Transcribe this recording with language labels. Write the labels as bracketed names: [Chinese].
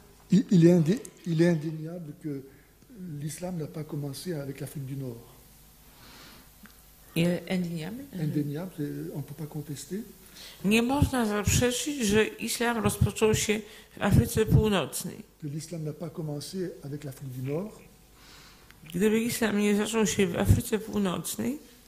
[French] Il est indéniable que l'islam n'a pas commencé avec l'Afrique du Nord. Il est indéniable. Indéniable, on ne peut pas contester. [Polish] Nie można zaprzeczyć, że islam rozpoczął się w Afryce Północnej. [French] Que l'islam n'a pas commencé avec l'Afrique du Nord. [Polish] Gdyby islam nie zaczął się w Afryce Północnej.